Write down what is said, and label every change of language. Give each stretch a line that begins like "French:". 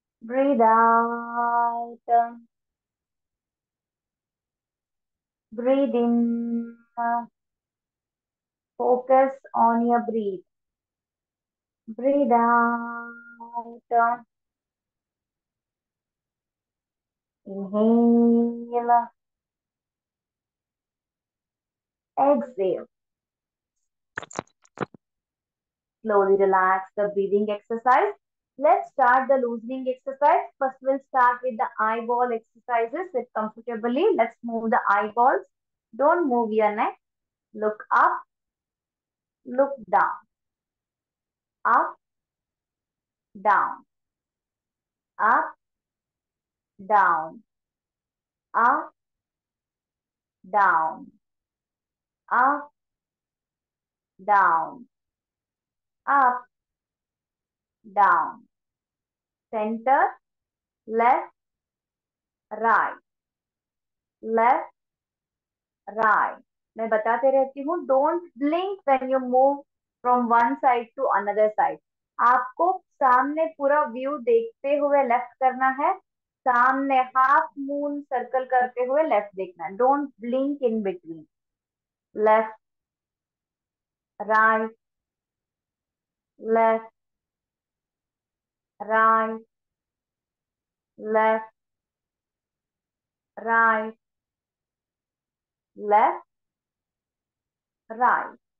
English: Breathe out, breathe in, focus on your breath, breathe out, inhale, exhale, slowly relax the breathing exercise. Let's start the loosening exercise. First, we'll start with the eyeball exercises. Sit comfortably. Let's move the eyeballs. Don't move your neck. Look up. Look down. Up. Down. Up. Down. Up. Down. Up. Down. Up. Down. Center, left, right, left, right.
Hindi: मैं बताते रहती हूँ,
English: Don't blink when you move from one side to another side.
Hindi: आपको सामने पूरा view देखते हुए left करना है, सामने हाफ मून सर्कल करते हुए लेफ्ट देखना है।
English: Don't blink in between, left, right, left, right, left, right, left, right.